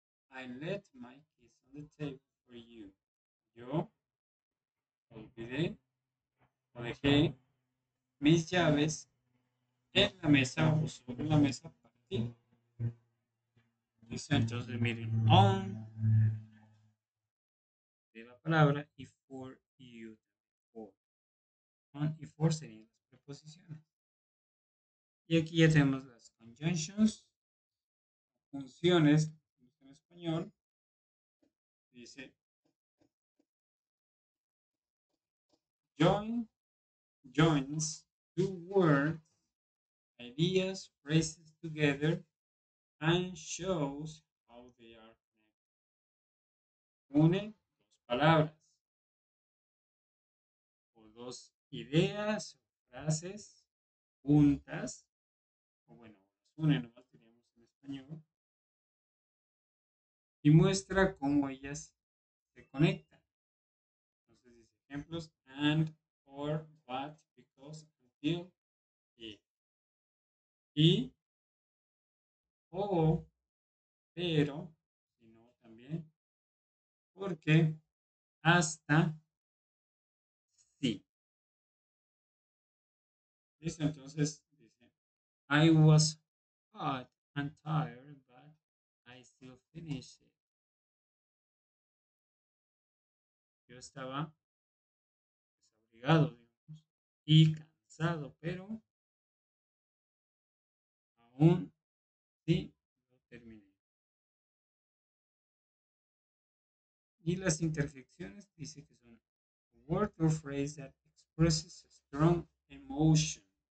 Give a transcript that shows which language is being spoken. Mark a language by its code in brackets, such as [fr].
[en] I left my keys on the table for you. [es] Yo olvidé o dejé mis llaves en la mesa o sobre la mesa para ti. Dice entonces, miren, on de la palabra y [en] for you. For. [es] On y for serían las preposiciones. Y aquí ya tenemos las conjunctions, funciones. Español dice [en] joins two words, ideas, phrases together and shows how they are connected. [es] Une dos palabras o dos ideas o frases juntas, o bueno, las une, no las tenemos en español. Y muestra cómo ellas se conectan. Entonces dice ejemplos. [en] And, or, but, because, until, y. [es] O, pero, sino también, porque, hasta, sí. Listo, entonces dice. [en] I was hot and tired, but I still finished. [es] Yo estaba desabrigado, digamos, y cansado, pero aún sí lo terminé. Y las interjecciones dice que son [en] a word or phrase that expresses a strong emotion.